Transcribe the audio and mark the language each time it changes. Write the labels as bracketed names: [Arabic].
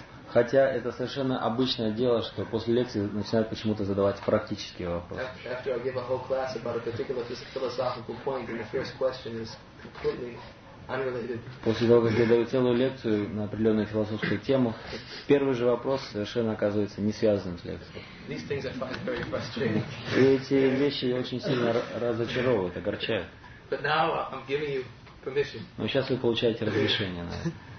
[Russian] Хотя это совершенно обычное дело, что после лекции начинают почему-то задавать практические вопросы. [English] After I give a whole class about a particular philosophical point, and the first question is completely unrelated. [Russian] После того, как я даю целую лекцию на определенную философскую тему, первый же вопрос совершенно оказывается не связанным с лекцией. [English] These things I find very frustrating. [Russian] И эти вещи очень сильно разочаровывают, огорчают. [English] But now I'm giving you permission. [Russian] Но сейчас вы получаете разрешение на это.